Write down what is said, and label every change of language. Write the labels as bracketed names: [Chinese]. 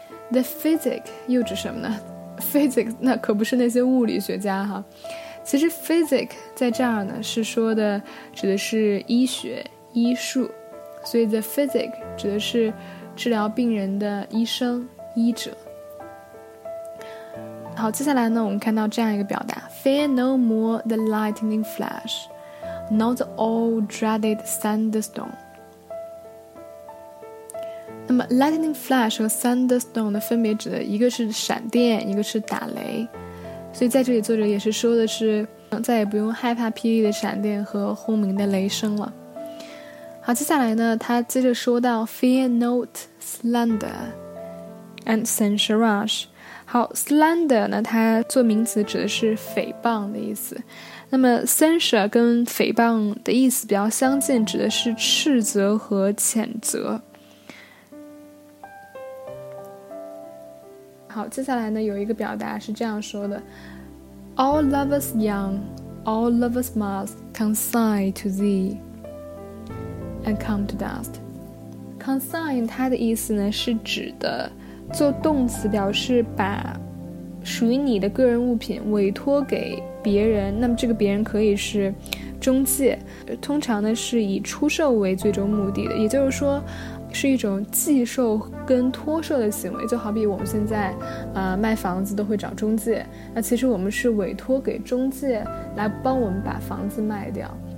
[Chinese] The physic 又指什么呢？Physic 那可不是那些物理学家哈。其实 physic 在这儿呢是说的指的是医学医术，所以 the physic 指的是治疗病人的医生医者。好，接下来呢我们看到这样一个表达， [English] Fear no more the lightning flash not all dreaded thunderstorm。 [Chinese] 那么 lightning flash 和 thunderstorm 呢分别指的一个是闪电一个是打雷，所以在这里作者也是说的是再也不用害怕霹雳的闪电和轰鸣的雷声了。好，接下来呢他接着说到 [English] fear not slander and censure rush。 [Chinese] 好， slander 呢它做名词指的是诽谤的意思，那么 censure 跟诽谤的意思比较相近，指的是斥责和谴责。好，接下来呢有一个表达是这样说的， [English] All lovers young, all lovers must consign to thee and come to dust。 [Chinese] consign 它的意思呢是指的做动词，表示把属于你的个人物品委托给别人，那么这个别人可以是中介，通常呢是以出售为最终目的的，也就是说是一种寄售跟托售的行为，就好比我们现在卖房子都会找中介，那其实我们是委托给中介来帮我们把房子卖掉。